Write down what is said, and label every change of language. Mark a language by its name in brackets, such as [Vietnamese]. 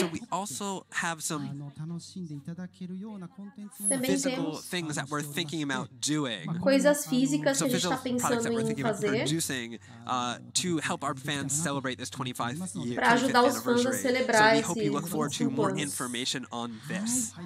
[English] So we also have some physical things that we're thinking about doing. [Portuguese] Coisas físicas que a gente está pensando em fazer. [English] To help our fans celebrate this 25th [Portuguese] para ajudar os fãs a celebrar esse. [English] So we hope you look forward to more information on this.